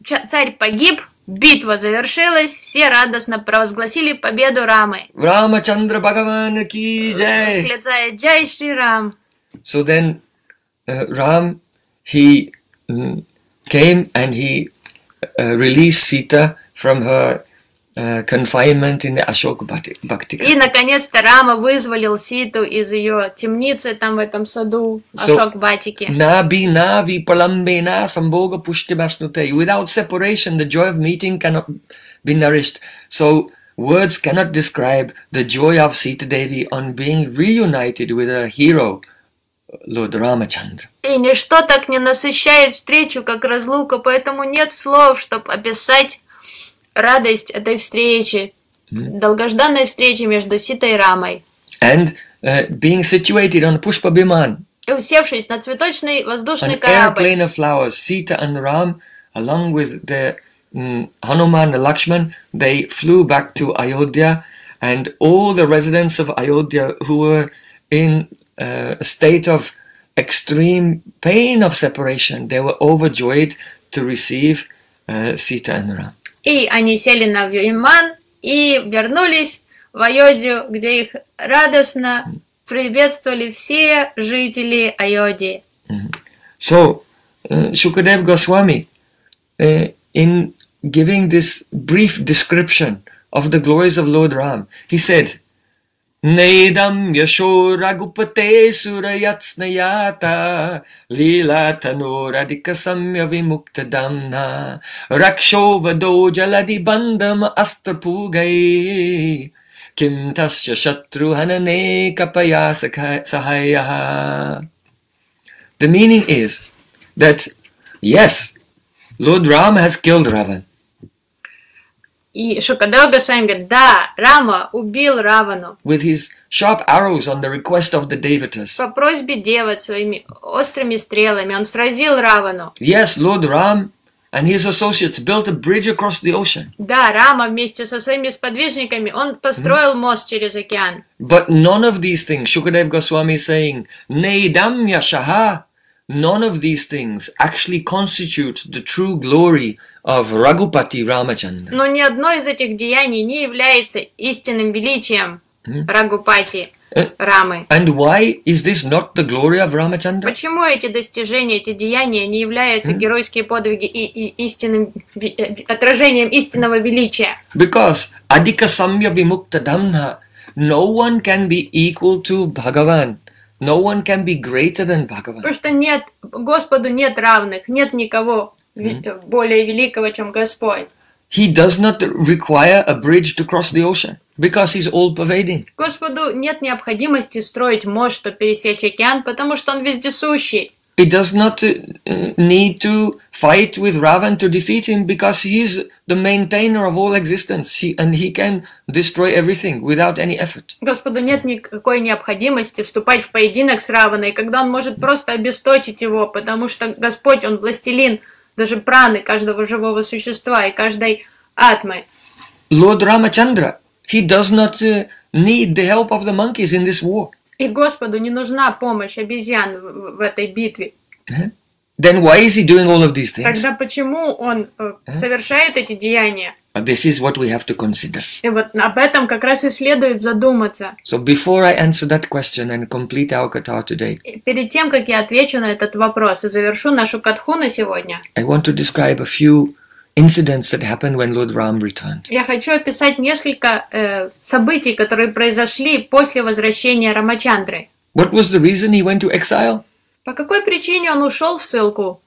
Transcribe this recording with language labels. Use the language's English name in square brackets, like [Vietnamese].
[Russian] Царь погиб, битва завершилась, все радостно провозгласили победу Рамы. [Hindi] Рама Чандра Бхагавана ки джай! [Russian] Восклицая [Hindi] Jai Shri Ram. [English] So then, Ram, he came and he released Sita from her confinement in the Ashok Bhaktika. [Russian] И наконец-то Рама вызволил Ситу из ее темницы там в этом саду Ашок Бхатики. [Sanskrit] Наби нави паламбе на самбога пушти маснуте. [English] Without separation, the joy of meeting cannot be nourished. So words cannot describe the joy of Sita Devi on being reunited with her hero. Lord Ramachandra. [Russian] И ничто так не насыщает встречу, как разлука, поэтому нет слов, чтобы описать радость этой встречи, долгожданной встречи между Ситой и Рамой. [English] And being situated on Pushpa Biman. [Russian] И усевшись на цветочный воздушный an корабль. [English] An airplane of flowers, Sita and Ram, along with the Hanuman and Lakshman, they flew back to Ayodhya, and all the residents of Ayodhya who were in a state of extreme pain of separation. They were overjoyed to receive Sita and Ram. [Russian] И они сели на Виман и вернулись в Айодию, где их радостно приветствовали все жители Айодии. [English] So, Shukadev Goswami, in giving this brief description of the glories of Lord Ram, he said, [Sanskrit] Neidam yasho ragupate surayatsnayata lila tanuradika samya vimuktadamna raksho vado jaladi bandam astrapugai kim tasya shatru hanane kapaya sahayaha. [English] The meaning is that yes, Lord Ram has killed Ravan. [Russian] И Шукадева Госвами говорит, да, Рама убил Равану. [English] With his sharp arrows on the request of the devatas. [Russian] По просьбе девот своими острыми стрелами он сразил Равану. [English] Yes, Lord Ram and his associates built a bridge across the ocean. [Russian] Да, Рама вместе со своими сподвижниками он построил мост через океан. [English] But none of these things, Шукадева Госвами saying, [Sanskrit] Neidam yashaha, [English] none of these things actually constitute the true glory of Ragupati Ramachandra. [Russian] Но ни одно из этих деяний не является истинным величием Рагупати Рамы. [English] And why is this not the glory of Ramachandra? [Russian] Почему эти достижения, эти деяния не являются геройские подвиги и истинным отражением истинного величия? [English] Because [Sanskrit] adhika samya vimukta dhamna, [English] no one can be equal to Bhagavan. No one can be greater than Bhagavan. [Russian] Потому что нет, Господу нет равных, нет никого более великого, чем Господь. [English] He does not require a bridge to cross the ocean, because he's all-pervading. [Russian] Господу нет необходимости строить мост, чтобы пересечь океан, потому что он вездесущий. [English] He does not need to fight with Ravan to defeat him, because he is the maintainer of all existence, and he can destroy everything without any effort. [Russian] Господу нет никакой необходимости вступать в поединок с Раваной, когда он может просто обесточить его, потому что Господь, он властелин даже праны каждого живого существа и каждой атмы. [English] Lord Ramachandra, he does not need the help of the monkeys in this war. [Russian] И Господу не нужна помощь обезьян в этой битве. [English] Then why is he doing all of these things? [Russian] Тогда почему он совершает эти деяния? [English] This is what we have to consider. [Russian] И вот об этом как раз и следует задуматься. [English] So before I answer that question and complete our katha today. [Russian] Перед тем, как я отвечу на этот вопрос и завершу нашу катху на сегодня. [English] I want to describe a few incidents that happened when Lord Ram returned. [Russian] Я хочу описать несколько событий, которые произошли после возвращения Рамачандры. [English] What was the reason he went to exile? [Russian] По какой причине он ушел в ссылку?